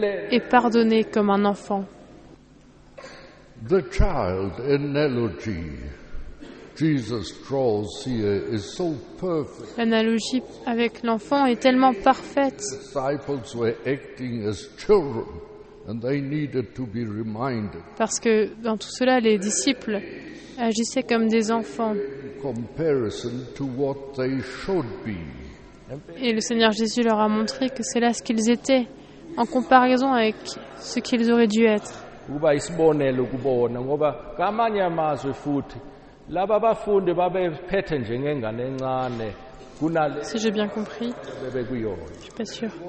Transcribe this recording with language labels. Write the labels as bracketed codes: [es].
[fr] Et pardonné comme un enfant. [en] The child analogy. Jesus draws here is so perfect. [fr] L'analogie avec l'enfant est tellement parfaite. [en] The disciples were acting as children, and they needed to be reminded. [fr] Parce que dans tout cela, les disciples agissaient comme des enfants. [en] In comparison to what they should be. [fr] Et le Seigneur Jésus leur a montré que c'est là ce qu'ils étaient, en comparaison avec ce qu'ils auraient dû être. [zu] ukuba isibonelo kubona ngoba kamanye amazwe futhi laba bafundi babe phethe njengengane encane. [fr] Si j'ai bien compris, je suis pas sûr.